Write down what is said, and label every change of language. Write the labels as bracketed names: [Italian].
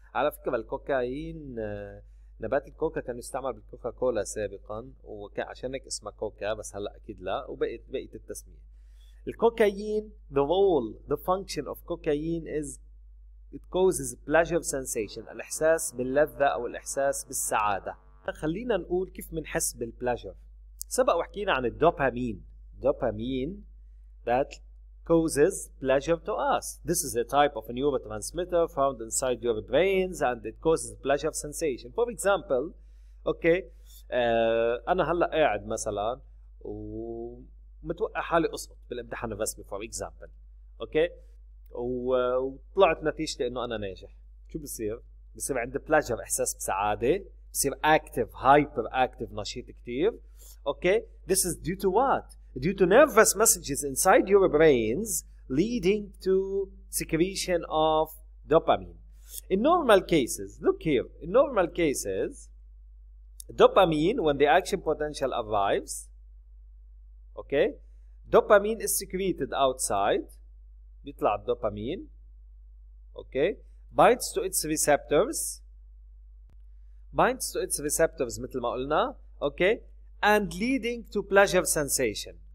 [Arabic] على فكرة الكوكايين, نبات الكوكا كان يستعمل بالكوكا كولا سابقا وكان عشان هيك اسمها كوكا بس هلا اكيد لا وبقيت التسميه. [English] الكوكايين, the role, the function of cocaine is it causes pleasure sensation, [Arabic] الاحساس باللذه او الاحساس بالسعاده. خلينا نقول كيف بنحس بالبلاجر. سبق وحكينا عن الدوبامين. [English] Dopamine that causes pleasure to us. This is a type of a neurotransmitter found inside your brains and it causes pleasure sensation. [Arabic] For example, okay, أنا هلا قاعد مثلا ومتوقع حالي أسقط بالامتحان الرسمي, [English] for example, okay, [Arabic] وطلعت نتيجتي إنه أنا ناجح. شو بصير؟ بصير عندي pleasure, إحساس بسعادة, بصير active, hyper active, نشيط كتير. [English] Okay, this is due to what? Due to nervous messages inside your brains leading to secretion of dopamine. In normal cases, look here, in normal cases, dopamine, when the action potential arrives, okay, dopamine is secreted outside, [Arabic] بيطلع الدوبامين, [English] okay, binds to its receptors, [Arabic] مثل ما قلنا, [English] okay, and leading to pleasure sensation.